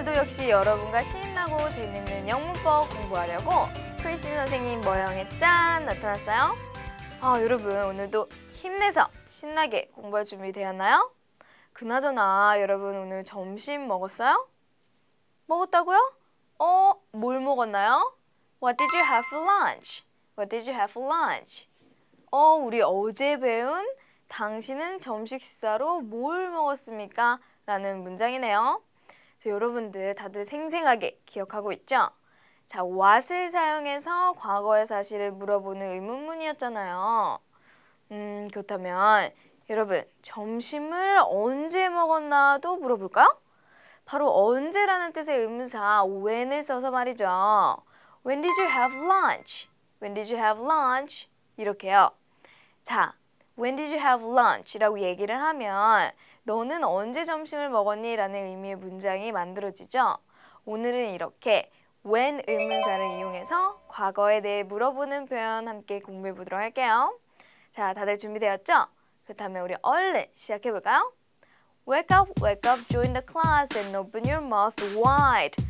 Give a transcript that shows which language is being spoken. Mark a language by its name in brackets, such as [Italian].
[Korean] 역시 여러분과 신나고 재밌는 영문법 공부하려고 크리스 선생님 모형에 짠 나타났어요. 아 여러분 오늘도 힘내서 신나게 공부할 준비 되었나요? 그나저나 여러분 오늘 점심 먹었어요? 먹었다고요? 어? 뭘 먹었나요? [English] What did you have for lunch? What did you have for lunch? [Korean] 어 우리 어제 배운 당신은 점심 식사로 뭘 먹었습니까? 라는 문장이네요. 자, 여러분들 다들 생생하게 기억하고 있죠? 자, what을 사용해서 과거의 사실을 물어보는 의문문이었잖아요. 그렇다면 여러분 점심을 언제 먹었나도 물어볼까요? 바로 언제라는 뜻의 의문사 when을 써서 말이죠. [English] When did you have lunch? When did you have lunch? [Korean] 이렇게요. [English] 자, when did you have lunch? [Korean] 라고 얘기를 하면 너는 언제 점심을 먹었니? 라는 의미의 문장이 만들어지죠. 오늘은 이렇게 when 의문사를 이용해서 과거에 대해 물어보는 표현 함께 공부해 보도록 할게요. 자, 다들 준비되었죠? 그렇다면 우리 얼른 시작해 볼까요? [English] Wake up, join the class and open your mouth wide.